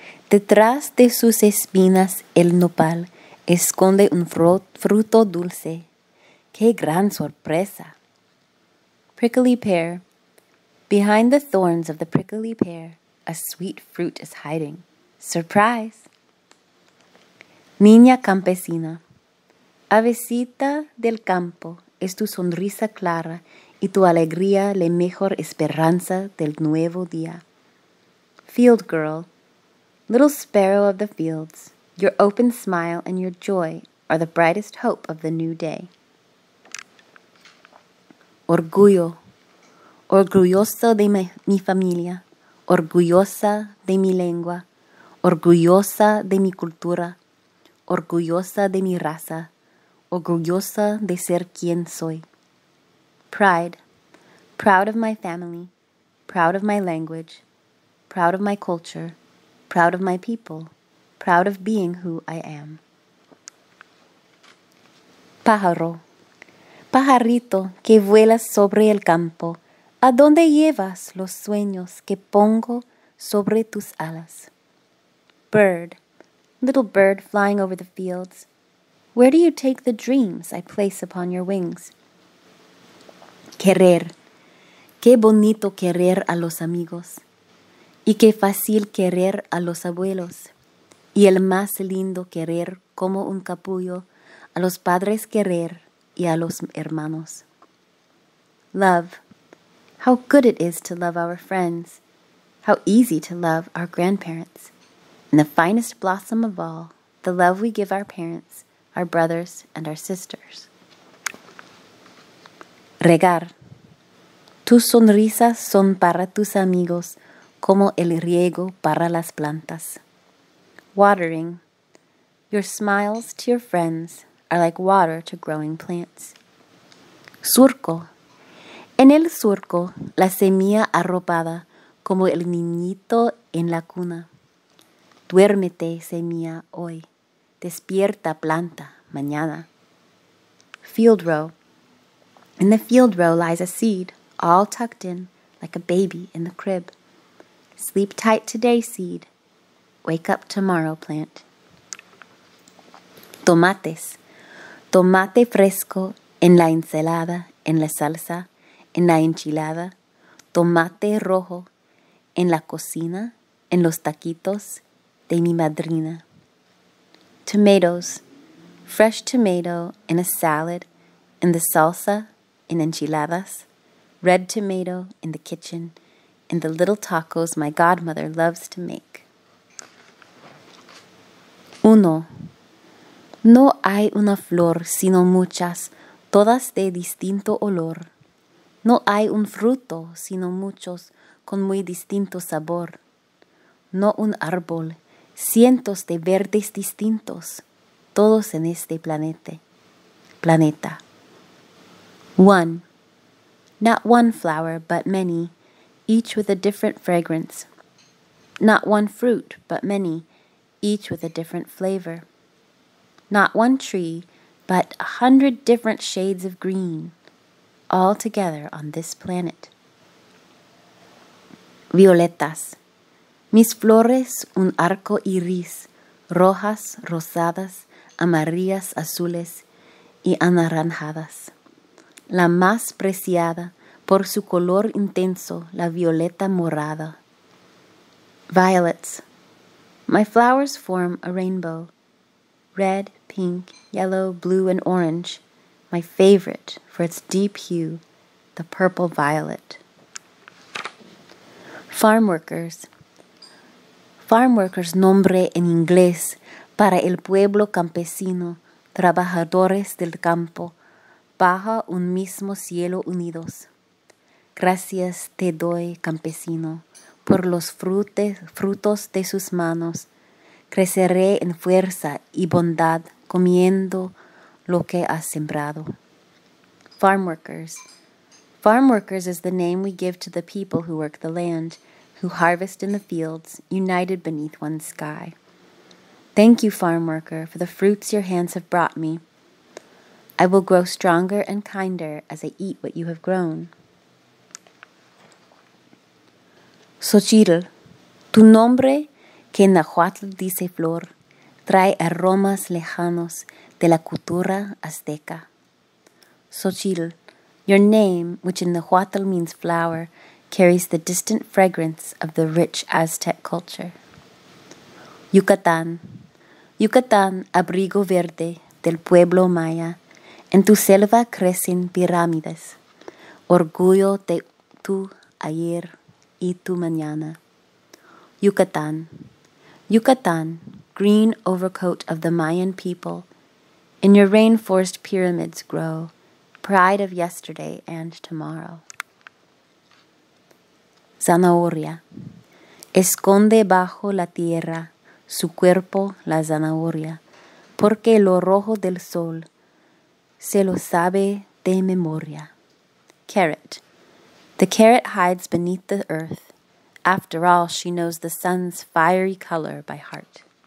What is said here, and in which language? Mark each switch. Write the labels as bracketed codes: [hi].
[es] Detrás de sus espinas, el nopal esconde un fruto dulce. ¡Qué gran sorpresa! [en] Prickly pear. Behind the thorns of the prickly pear, a sweet fruit is hiding. Surprise! [es] Niña campesina. Avecita del campo es tu sonrisa clara y tu alegría la mejor esperanza del nuevo día. [en] Field girl. Little sparrow of the fields, your open smile and your joy are the brightest hope of the new day. [es] Orgullo. Orgulloso de mi familia. Orgullosa de mi lengua. Orgullosa de mi cultura. Orgullosa de mi raza. Orgullosa de ser quien soy. [en] Pride. Proud of my family. Proud of my language. Proud of my culture. Proud of my people. Proud of being who I am. [es] Pájaro. Pajarito que vuelas sobre el campo. ¿A dónde llevas los sueños que pongo sobre tus alas? [en] Bird. Little bird flying over the fields. Where do you take the dreams I place upon your wings? [es] Querer. Qué bonito querer a los amigos. Y qué fácil querer a los abuelos. Y el más lindo querer como un capullo. A los padres querer y a los hermanos. [en] Love. How good it is to love our friends. How easy to love our grandparents. And the finest blossom of all, the love we give our parents, our brothers, and our sisters. [es] Regar. Tus sonrisas son para tus amigos, como el riego para las plantas. [en] Watering. Your smiles to your friends are like water to growing plants. [es] Surco. En el surco, la semilla arropada como el niñito en la cuna. Duérmete, semilla, hoy. Despierta, planta, mañana. [en] Field row. In the field row lies a seed, all tucked in, like a baby in the crib. Sleep tight today, seed. Wake up tomorrow, plant. [es] Tomates. Tomate fresco en la ensalada, en la salsa, en la enchilada. Tomate rojo en la cocina, en los taquitos de mi madrina. [en] Tomatoes. Fresh tomato in a salad, in the salsa, in enchiladas. Red tomato in the kitchen, and the little tacos my godmother loves to make. [es] Uno. No hay una flor, sino muchas, todas de distinto olor. No hay un fruto, sino muchos, con muy distinto sabor. No un árbol, cientos de verdes distintos, todos en este planeta. planeta. 1. [en] Not one flower, but many, each with a different fragrance. Not one fruit, but many, each with a different flavor. Not one tree, but 100 different shades of green, all together on this planet. [es] Violetas. Mis flores, un arco iris, rojas, rosadas, amarillas, azules y anaranjadas. La más preciada, por su color intenso, la violeta morada. [en] Violets. My flowers form a rainbow. Red, pink, yellow, blue, and orange. My favorite for its deep hue, the purple violet. Farmworkers. [es] Farmworkers, nombre en inglés para el pueblo campesino, trabajadores del campo, bajo un mismo cielo unidos. Gracias te doy, campesino, por los frutos de sus manos. Creceré en fuerza y bondad comiendo lo que has sembrado. [en] Farmworkers. Farmworkers is the name we give to the people who work the land, who harvest in the fields, united beneath one sky. Thank you, farmworker, for the fruits your hands have brought me. I will grow stronger and kinder as I eat what you have grown. [es] Xochitl, tu nombre, que en Nahuatl dice flor, trae aromas lejanos de la cultura azteca. [en] Xochitl, your name, which in Nahuatl means flower, carries the distant fragrance of the rich Aztec culture. [es] Yucatán. Yucatán, abrigo verde del pueblo maya. En tu selva crecen pirámides. Orgullo de tu ayer y tu mañana. [en] Yucatán. Yucatán, green overcoat of the Mayan people. In your rainforest pyramids grow, pride of yesterday and tomorrow. [es] Zanahoria. Esconde bajo la tierra su cuerpo la zanahoria, porque lo rojo del sol se lo sabe de memoria. [en] Carrot. The carrot hides beneath the earth. After all, she knows the sun's fiery color by heart.